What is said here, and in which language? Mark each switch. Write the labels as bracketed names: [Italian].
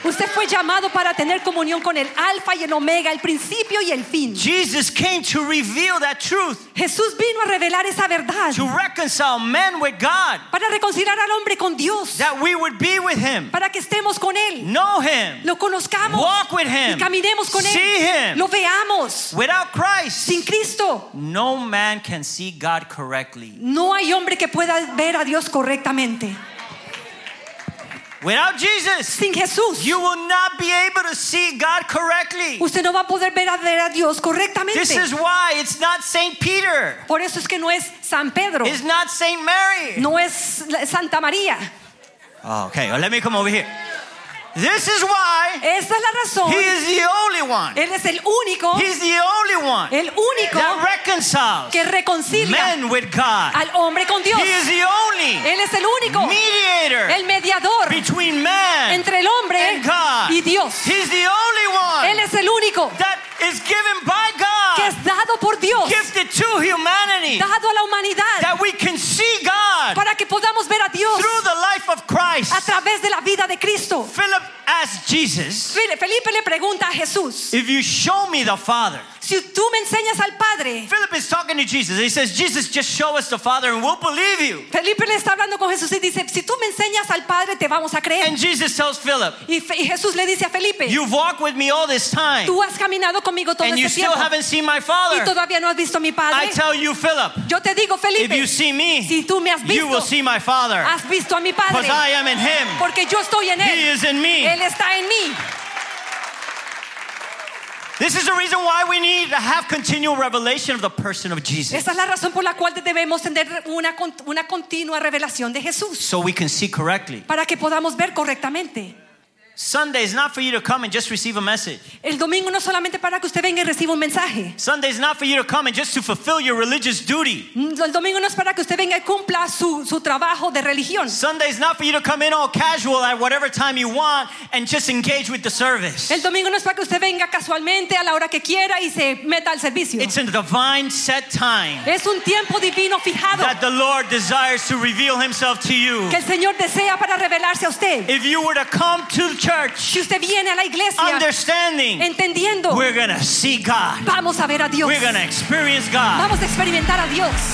[Spanish] Usted fue llamado para tener comunión con el Alfa y el Omega, el principio y el fin. [English] Jesus Jesus came to reveal that truth. [Spanish] Jesús vino a revelar esa verdad. [English] To reconcile man with God. [Spanish] Para reconciliar al hombre con Dios. [English] That we would be with him. [Spanish] Para que estemos con él. [English] Know him. [Spanish] Lo conozcamos. [English] Walk with him. [Spanish] Y caminemos con él. [English] See him. [Spanish] Lo veamos. [English] Without Christ. [Spanish] Sin Cristo. [English] No man can see God correctly. [Spanish] No hay hombre que pueda ver a Dios correctamente. [English] Without Jesus, [Spanish] sin Jesús, [English] you will not be able to see God correctly. [Spanish] Usted no va a poder ver a Dios correctamente. [English] This is why it's not Saint Peter. [Spanish] Por eso es que no es San Pedro. [English] It's not Saint Mary. [Spanish] No es Santa María. [English] Okay, well, let me come over here. This is why. [Spanish] Esta es la razón. [English] He is the only one. [Spanish] Él es el único. [English] He's the only one. [Spanish] El único. [English] That reconciles. [Spanish] Que reconcilia. [English] Men with God. [Spanish] Al hombre con Dios. [English] He is the only. [Spanish] Él es el único. [English] Mediator. [Spanish] El mediador. [English] Between man. [Spanish] Entre el hombre. [English] And God. [Spanish] Y Dios. [English] He's the only one. [Spanish] Él es el único. [English] That is given by God. [Spanish] Que es dado por Dios. [English] Gifted to humanity. [Spanish] Dado a la humanidad. [English] That we can see God. [Spanish] Para que podamos ver a Dios. [English] Through the life of Christ. [Spanish] A través de la vida de Cristo. [English] Philip asked Jesus. [Spanish] Felipe le pregunta a Jesús. [English] If you show me the Father. [Spanish] Si tú me enseñas al Padre. [English] Philip is talking to Jesus. He says, Jesus, just show us the Father and we'll believe you. [Spanish] Felipe le está hablando con Jesús y dice, si tú me enseñas al Padre, te vamos a creer. [English] And Jesus tells Philip. [Spanish] Y Jesús le dice a Felipe. [English] You've walked with me all this time. [Spanish] Tú has caminado conmigo todo este tiempo. [English] And you still haven't seen my Father. [Spanish] Y todavía no has visto a mi Padre. [English] I tell you, Philip. [Spanish] Yo te digo, Felipe. [English] If you see me. [Spanish] Si tú me has visto. [English] You will see my Father. [Spanish] Has visto a mi Padre. [English] Because I am in him. [Spanish] Porque yo estoy en él. [English] He is in me. [Spanish] Él está en mí. [English] This is the reason why we need to have continual revelation of the person of Jesus. [Spanish] Esa es la razón por la cual debemos tener una continua revelación de Jesús. [English] So we can see correctly. [Spanish] Para que podamos ver correctamente. [English] Sunday is not for you to come and just receive a message. [Spanish] El domingo no solamente para que usted venga y reciba un mensaje. [English] Sunday is not for you to come and just to fulfill your religious duty. [Spanish] El domingo no es para que usted venga y cumpla su trabajo de religión. [English] Sunday is not for you to come in all casual at whatever time you want and just engage with the service. [Spanish] El domingo no es para que usted venga casualmente a la hora que quiera y se meta al servicio. [English] It's a divine set time. [Spanish] Es un tiempo divino fijado. [English] That the Lord desires to reveal himself to you. [Spanish] Que el Señor desea para revelarse a usted. [English] If you were to come to church, [Spanish] si usted viene a la iglesia, [English] understanding, [Spanish] entendiendo, [English] we're gonna see God. [Spanish] Vamos a ver a Dios. [English] We're gonna experience God. [Spanish] Vamos a experimentar a Dios.